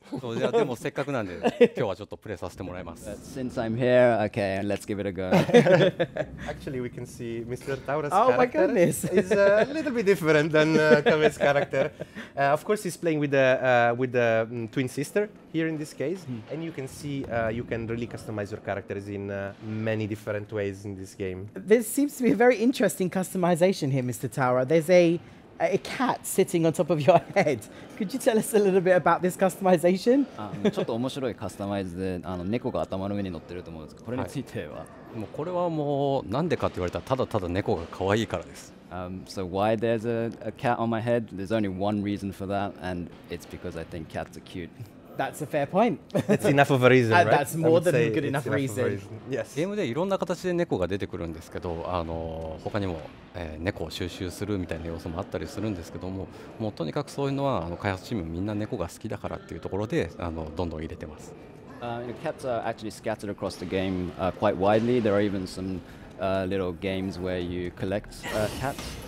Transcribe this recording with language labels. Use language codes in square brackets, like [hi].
[ja] そう、いやでもせっかくなんで、今日はちょっとプレーさせてもらいます。 [en] Since I'm here, okay, let's give it a go. Actually, we can see Mr. Taura's character. Oh my goodness! Is a little bit different than Cave's character. Of course, he's playing with the twin sister here in this case, and you can see you can really customize your characters in many different ways in this game. This seems to be a very interesting customization here, Mr. Taura. There's a cat sitting on top of your head. Could you tell us a little bit about this customization? [ja] ちょっと面白いカスタマイズで、猫が頭の上に乗ってると思うんですけど、これについては、はい、もうこれはもうなんでかって言われたら、ただただ猫が可愛いからです。 [en] So why there's a cat on my head? There's only one reason for that, and it's because I think cats are cute. That's a fair point. That's enough of a reason, right? That's more than good enough reason. Yes. [ja] ゲームでいろんな形で猫が出てくるんですけど、他にも、猫を収集するみたいな要素もあったりするんですけども、もうとにかくそういうのは開発チームみんな猫が好きだからっていうところでどんどん入れてます。 [en] Cats are actually scattered across the game quite widely. There are even some little games where you collect cats.